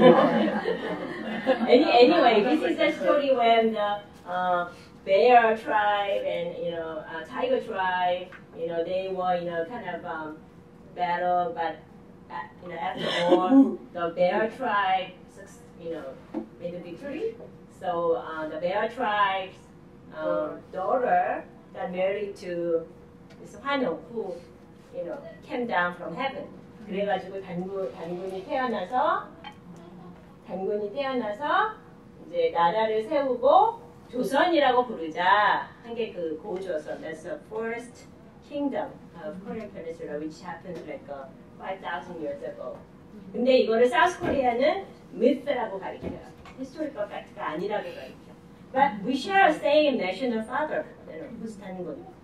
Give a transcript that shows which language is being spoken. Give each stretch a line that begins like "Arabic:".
English: anyway, this is a story when the bear tribe and, you know, tiger tribe, you know, they were in a kind of battle, but you know, after all, the bear tribe, you know, made a victory. So the bear tribe's daughter got married to this Hwanung, who, you know, came down from heaven.
Korean: 그래가지고 단군이 태어나서 이제 나라를 세우고 조선이라고 부르자 한 게 그 고조선.
English: That's the first kingdom of Korean Peninsula, which happened like 5,000 years ago.
Korean: 근데 이거를 South Korea는 myth라고 가리켜요. Historical fact가 아니라고 가리켜.
English: But we share the same national father, you know, who's 단군.